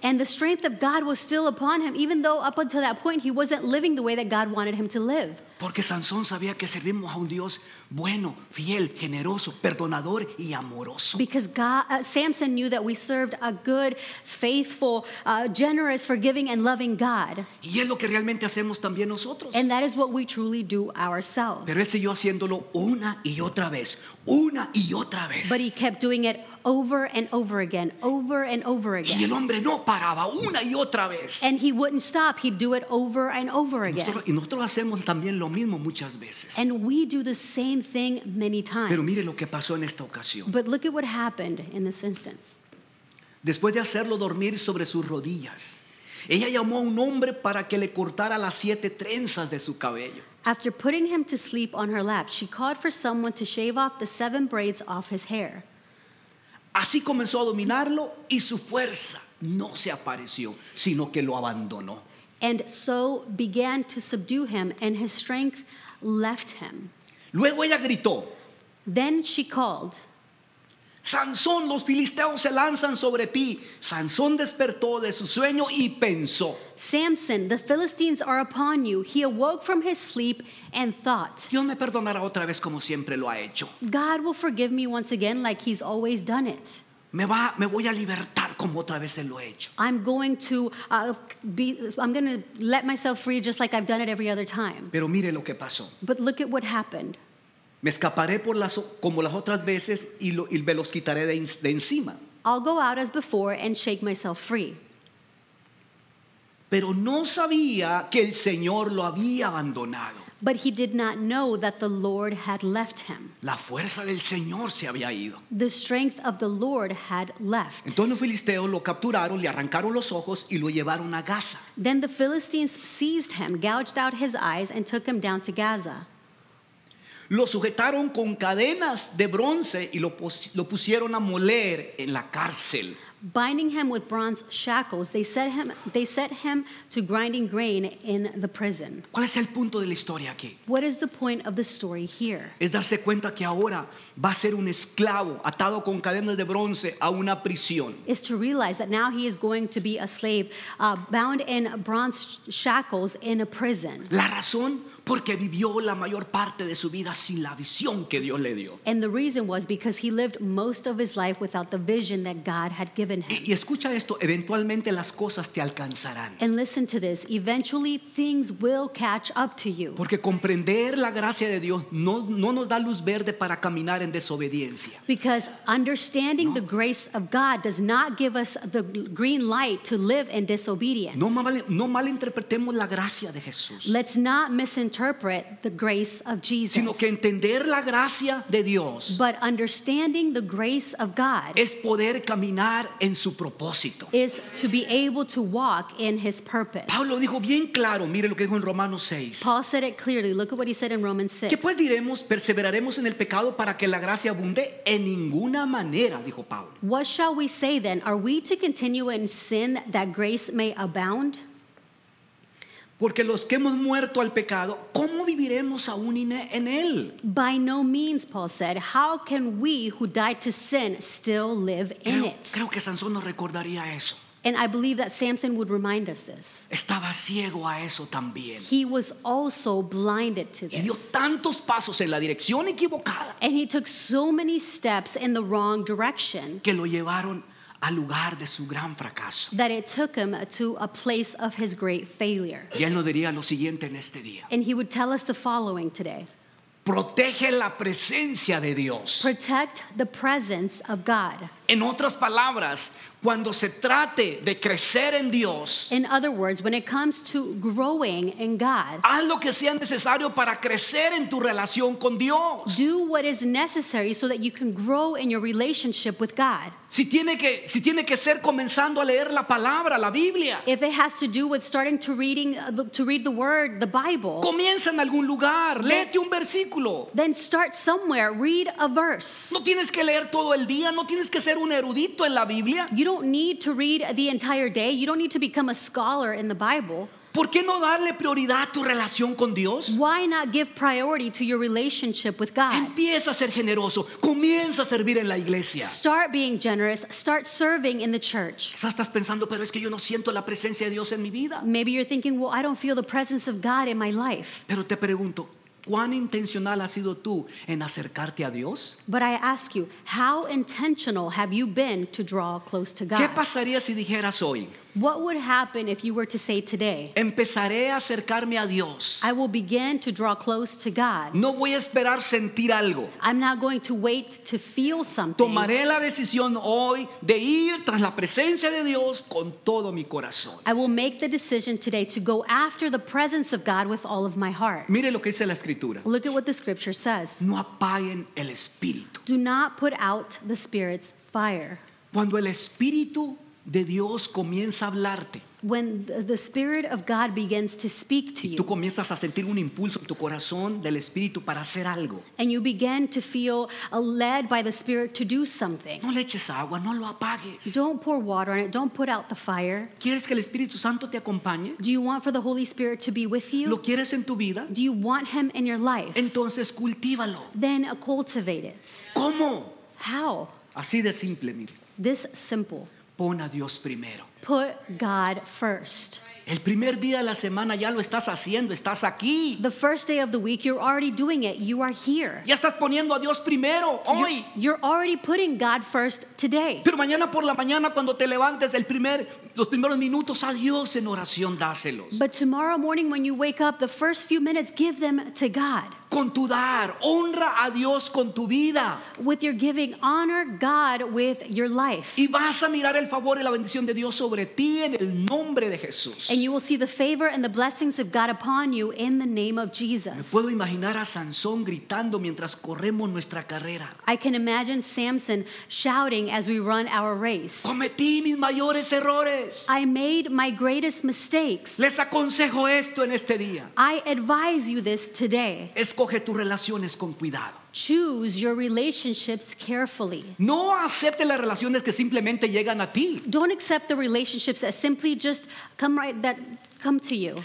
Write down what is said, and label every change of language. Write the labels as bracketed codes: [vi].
[en] And the strength of God was still upon him, even though up until that point he wasn't living the way that God wanted him to live. [es] Porque Sansón sabía que servimos a un Dios bueno, fiel, generoso, perdonador y amoroso. [en] Because God, Samson knew that we served a good, faithful, generous, forgiving, and loving God. [es] Y es lo que realmente hacemos también nosotros. [en] And that is what we truly do ourselves. [es] Pero él siguió haciéndolo una y otra vez, una y otra vez. [en] But he kept doing it over and over again, over and over again. [es] Y el hombre no paraba una y otra vez. [en] And he wouldn't stop. He'd do it over and over again. [es] Y nosotros hacemos también lo mismo muchas veces. [en] And we do the same thing many times. [es] Pero mire lo que pasó en esta ocasión. [en] But look at what happened in this instance. [es] Después de hacerlo dormir sobre sus rodillas, ella llamó a un hombre para que le cortara las siete trenzas de su cabello. [en] After putting him to sleep on her lap, she called for someone to shave off the seven braids off his hair. [es] Así comenzó a dominarlo y su fuerza no se apareció, sino que lo abandonó. [en] And so began to subdue him, and his strength left him. [es] Luego ella gritó. [en] Then she called. [es] Sansón, los filisteos se lanzan sobre ti. Sansón despertó de su sueño y pensó. [en] Samson, the Philistines are upon you. He awoke from his sleep and thought. [es] Dios me perdonará otra vez como siempre lo ha hecho. [en] God will forgive me once again like he's always done it. [es] Me voy a libertar como otra vez lo he hecho. [en] I'm going to let myself free just like I've done it every other time. [es] Pero mire lo que pasó. [en] But look at what happened. [es] Me escaparé por las como las otras veces y me los quitaré de encima. [en] I'll go out as before and shake myself free. [es] Pero no sabía que el Señor lo había abandonado. [en] But he did not know that the Lord had left him. [es] La fuerza del Señor se había ido. [en] The strength of the Lord had left. [es] Entonces los filisteos lo capturaron, le arrancaron los ojos y lo llevaron a Gaza. [en] Then the Philistines seized him, gouged out his eyes, and took him down to Gaza. [es] Lo sujetaron con cadenas de bronce y lo pusieron a moler en la cárcel. [en] Binding him with bronze shackles, they set him to grinding grain in the prison. [es] ¿Cuál es el punto de la historia aquí? [en] What is the point of the story here? [es] Es darse cuenta que ahora va a ser un esclavo atado con cadenas de bronce a una prisión. [en] Is to realize that now he is going to be a slave, bound in bronze shackles in a prison. [es] La razón. Porque vivió la mayor parte de su vida sin la visión que Dios le dio. [en] And the reason was because he lived most of his life without the vision that God had given him. [es] Y escucha esto, eventualmente las cosas te alcanzarán. [en] And listen to this, eventually things will catch up to you. [es] Porque comprender la gracia de Dios no nos da luz verde para caminar en desobediencia. [en] Because understanding the grace of God does not give us the green light to live in disobedience. [es] No malinterpretemos la gracia de Jesús. [en] Let's not misinterpret the grace of Jesus, [es] sino que entender la gracia de Dios, [en] but understanding the grace of God [es] es poder caminar en su propósito, [en] is to be able to walk in his purpose. [es] Pablo dijo bien claro, mire lo que dijo en Romanos 6. [en] Paul said it clearly, look at what he said in Romans 6. [es] ¿Qué pues diremos? ¿Perseveraremos en el pecado para que la gracia abunde? En ninguna manera, dijo Pablo. [en] What shall we say then? Are we to continue in sin that grace may abound? [es] Porque los que hemos muerto al pecado, ¿cómo viviremos aún en él? [en] By no means, Paul said, how can we who died to sin still live in it? [es] Creo que Sansón nos recordaría eso. [en] And I believe that Samson would remind us this. [es] Estaba ciego a eso también. [en] He was also blinded to this. [es] Y dio tantos pasos en la dirección equivocada. [en] And he took so many steps in the wrong direction. [es] Que lo llevaron al lugar de su gran fracaso. [en] That it took him to a place of his great failure. [es] Y él nos diría lo siguiente en este día. [en] And he would tell us the following today. [es] Protege la presencia de Dios. [en] Protect the presence of God. [es] En otras palabras, cuando se trate de crecer en Dios, [en] in other words, when it comes to growing in God, [es] haz lo que sea necesario para crecer en tu relación con Dios. [en] Do what is necessary so that you can grow in your relationship with God. [es] Si tiene que ser comenzando a leer la palabra, la Biblia. [en] If it has to do with starting to reading to read the word, the Bible. [es] Comienza en algún lugar, léete un versículo. [en] Then start somewhere, read a verse. [es] No tienes que leer todo el día, no tienes que ser un erudito en la Biblia. [en] You don't need to read the entire day. You don't need to become a scholar in the Bible. [es] ¿Por qué no darle prioridad a tu relación con Dios? [en] Why not give priority to your relationship with God? [es] Empieza a ser generoso. Comienza a servir en la iglesia. [en] Start being generous. Start serving in the church. [es] Quizás estás pensando, pero es que yo no siento la presencia de Dios en mi vida. [en] Maybe you're thinking, well, I don't feel the presence of God in my life. [es] Pero te pregunto, ¿cuán intencional has sido tú en acercarte a Dios? [en] But I ask you, how intentional have you been to draw close to God? [es] ¿Qué pasaría si dijeras hoy? [en] What would happen if you were to say today? [es] Empezaré a acercarme a Dios. [en] I will begin to draw close to God. [es] No voy a esperar sentir algo. [en] I'm not going to wait to feel something. [es] Tomaré la decisión hoy de ir tras la presencia de Dios con todo mi corazón. [en] I will make the decision today to go after the presence of God with all of my heart. [es] Mire lo que dice la escritura. [en] Look at what the scripture says. [es] No apaguen el espíritu. [en] Do not put out the Spirit's fire. [es] Cuando el espíritu de Dios comienza a hablarte. [en] When the Spirit of God begins to speak to you, [es] tú comienzas a sentir un impulso en tu corazón del Espíritu para hacer algo. [en] And you begin to feel led by the Spirit to do something. [es] No le eches agua, no lo apagues. [en] Don't pour water on it. Don't put out the fire. [es] ¿Quieres que el Espíritu Santo te acompañe? [en] Do you want for the Holy Spirit to be with you? [es] ¿Lo quieres en tu vida? [en] Do you want him in your life? [es] Entonces cultívalo. [en] Then cultivate it. [es] ¿Cómo? [en] How? [es] Así de simple, mire. [en] This simple. [es] Pon a Dios primero. [en] Put God first. [es] El primer día de la semana ya lo estás haciendo, estás aquí. [en] The first day of the week, you're already doing it. You are here. [es] Ya estás poniendo a Dios primero hoy. [en] You're already putting God first today. [es] Pero mañana por la mañana cuando te levantes, los primeros minutos a Dios en oración, dáselos. [en] But tomorrow morning when you wake up, the first few minutes, give them to God. [es] Con tu dar, honra a Dios con tu vida. [en] With your giving, honor God with your life. [es] Y vas a mirar el favor y la bendición de Dios sobre ti en el nombre de Jesús. [en] And you will see the favor and the blessings of God upon you in the name of Jesus. [es] Me puedo imaginar a Sansón gritando mientras corremos nuestra carrera. [en] I can imagine Samson shouting as we run our race. [es] Cometí mis mayores errores. [en] I made my greatest mistakes. [es] Les aconsejo esto en este día. [en] I advise you this today. [es] Escoge tus relaciones con cuidado. [en] Choose your relationships carefully. [es] No acepte las relaciones que simplemente llegan a ti. [en] Don't accept the relationships that simply just come right that come to you.